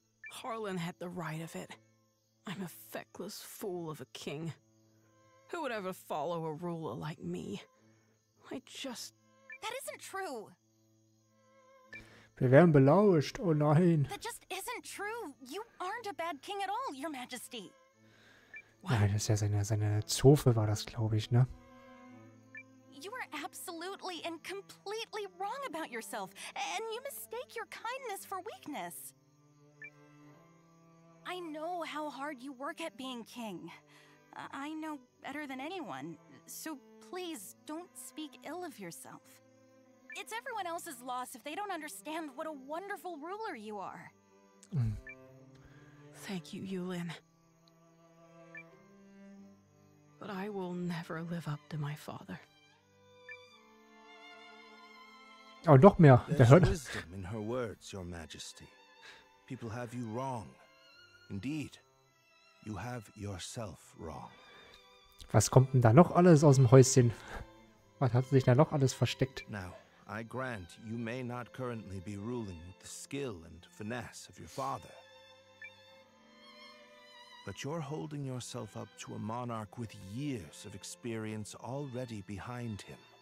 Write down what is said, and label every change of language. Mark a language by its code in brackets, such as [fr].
[en] Harlan had the right of it. I'm a feckless fool of a king. Who would ever follow a ruler like me? I just... That isn't true! [de] Wir werden belauscht, oh nein. [en] That just isn't true. You aren't a bad king at all, your majesty. [de] Nein, das ist ja seine Zofe war das, glaube ich, ne? [en] You are absolutely and completely wrong about yourself, and you mistake your kindness for weakness. I know how hard you work at being king. I know better than anyone, so please don't speak ill of yourself. It's everyone else's loss if they don't understand what a wonderful ruler you are. Thank you, Yulin. But I will never live up to my father. [de] Oh, noch mehr. [en] There's wisdom in her words, your majesty. People have you wrong. Indeed, you have yourself wrong. [de] Was kommt denn da noch alles aus dem Häuschen? Was hat sich da noch alles versteckt? [en] Now, I grant you may not currently be ruling with the skill and finesse of your father. But you're holding yourself up to a monarch with years of experience already behind him.